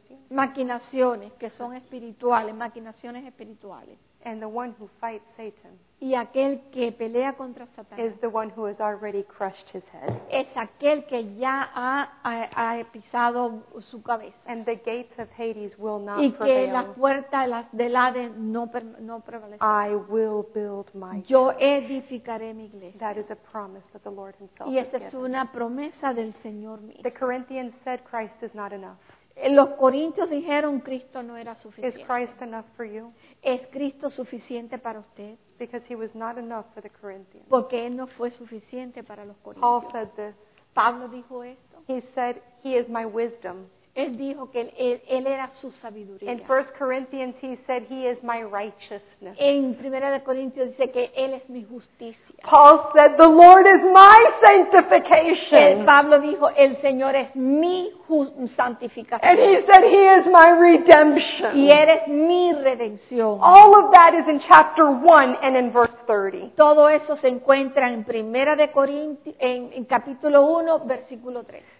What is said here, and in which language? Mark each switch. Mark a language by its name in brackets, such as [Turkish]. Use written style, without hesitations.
[Spanish] Maquinaciones que son espirituales, maquinaciones espirituales. [English] And the one who fights Satan. [Spanish] Y aquel que pelea contra Satanás. [English] Is the one who has already crushed his head. [Spanish] Es aquel que ya ha pisado su cabeza. [English] And the gates of Hades will not prevail. [Spanish] Y que las puertas del Hades no prevalecen. [English] I will build my church. [Spanish] Yo edificaré mi iglesia. [English] That is a promise that the Lord himself has given. [Spanish] Y esa es una promesa del Señor mismo. [English] The Corinthians said Christ is not enough. [Spanish] Los corintios dijeron Cristo no era suficiente. [English] Is Christ enough for you? [Spanish] ¿Es Cristo suficiente para usted? [English] Because he was not enough for the Corinthians. [Spanish] Porque él no fue suficiente para los corintios. [English] Paul said this. [Spanish] Pablo dijo esto. [English] He said he is my wisdom. [Spanish] Él dijo que él era su sabiduría. [English] In 1 Corinthians he said he is my righteousness. [Spanish] En Primera de Corintios dice que él es mi justicia. [English] Paul said the Lord is my sanctification. [Spanish] Él, Pablo dijo el Señor es mi santificación. [English] And he said he is my redemption. [Spanish] Y eres mi redención. [English] All of that is in chapter 1 and in verse 30. [Spanish] Todo eso se encuentra en Primera de Corintios en capítulo 1 versículo 3.